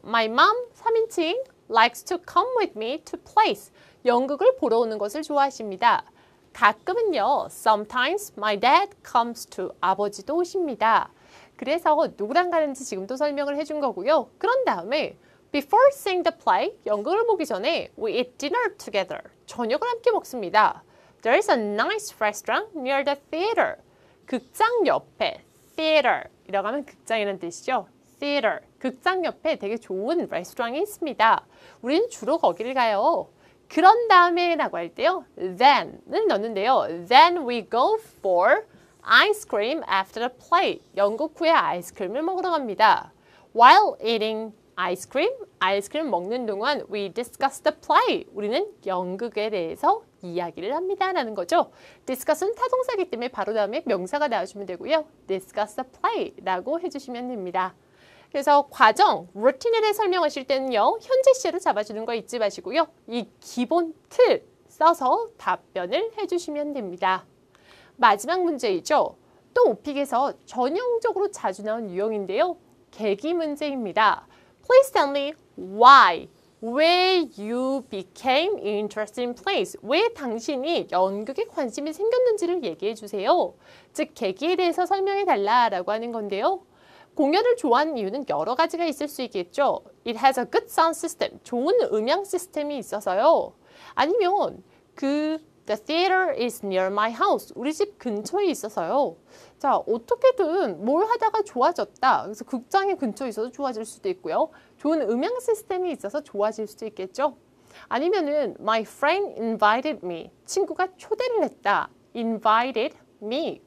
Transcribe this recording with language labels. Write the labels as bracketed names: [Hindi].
[English] My mom, [Korean] 3인칭, [English] likes to come with me to plays. [Korean] 연극을 보러 오는 것을 좋아하십니다. 가끔은요, [English] sometimes my dad comes to, [Korean] 아버지도 오십니다. 그래서 누구랑 가는지 지금도 설명을 해준 거고요. 그런 다음에, [English] before seeing the play, [Korean] 연극을 보기 전에, [English] we eat dinner together, [Korean] 저녁을 함께 먹습니다. [English] There is a nice restaurant near the theater, [Korean] 극장 옆에, [English] theater, [Korean] 이라고 하면 극장이라는 뜻이죠. theater, 극장 옆에 되게 좋은 레스토랑이 있습니다. 우리는 주로 거기를 가요. 그런 다음에 라고 할 때요. then은 넣는데요. [English] Then we go for ice cream after the play. [Korean] 연극 후에 아이스크림을 먹으러 갑니다. [English] While eating ice cream, [Korean] 아이스크림 먹는 동안 [English] we discuss the play. [Korean] 우리는 연극에 대해서 이야기를 합니다. 라는 거죠. discuss은 타동사이기 때문에 바로 다음에 명사가 나와주면 되고요. [English] discuss the play [Korean] 라고 해주시면 됩니다. 그래서 과정, 루틴에 대해 설명하실 때는요, 현재 시제로 잡아주는 거 잊지 마시고요, 이 기본 틀 써서 답변을 해주시면 됩니다. 마지막 문제이죠. 또 오픽에서 전형적으로 자주 나온 유형인데요, 계기 문제입니다. [English] Please tell me why, where you became interested in plays, [Korean] 왜 당신이 연극에 관심이 생겼는지를 얘기해 주세요. 즉, 계기에 대해서 설명해 달라라고 하는 건데요. 공연을 좋아하는 이유는 여러 가지가 있을 수 있겠죠. [English] It has a good sound system. [Korean] 좋은 음향 시스템이 있어서요. 아니면 그 [English] the theater is near my house. [Korean] 우리 집 근처에 있어서요. 자, 어떻게든 뭘 하다가 좋아졌다. 그래서 극장에 근처에 있어서 좋아질 수도 있고요. 좋은 음향 시스템이 있어서 좋아질 수도 있겠죠. 아니면은 [English] my friend invited me. [Korean] 친구가 초대를 했다. [English] invited me.